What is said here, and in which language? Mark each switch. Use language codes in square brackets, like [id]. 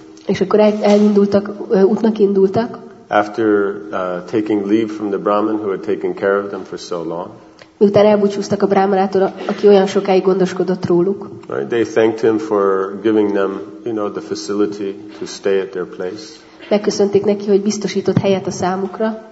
[hu] És akkor útnak indultak. [en] After taking leave from the Brahman who had taken care of them for so long. [hu] Miután elbúcsúztak a Brahmanától, aki olyan sokáig gondoskodott róluk. [en] Right, they thanked him for giving them, you know, the facility to stay at their place. [hu] Megköszönték neki, hogy biztosított helyet a számukra.